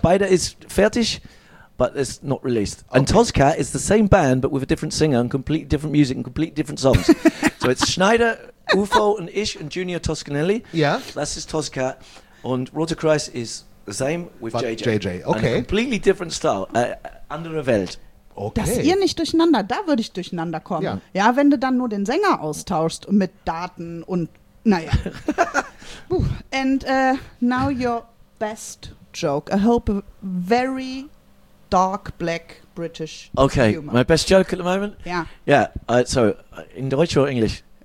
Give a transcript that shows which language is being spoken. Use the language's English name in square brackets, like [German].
[German] Beide is fertig, [English] but it's not released. Okay. And Tozcat is the same band, but with a different singer and completely different music and completely different songs. So it's Schneider, Ufo and Ish and Junior Toscanelli. Yeah. That's his Tozcat. And Rotor Christ is the same with JJ. JJ, okay. And a completely different style. [German] Andere Welt. Okay. Dass ihr nicht durcheinander, da würde ich durcheinander kommen. Ja. Ja, wenn du dann nur den Sänger austauschst mit Daten und naja. [English] And now your best joke. I hope a very dark black British okay. humor. Okay, my best joke at the moment? [German] Ja. [English] Yeah, so [German] in Deutsch oder Englisch?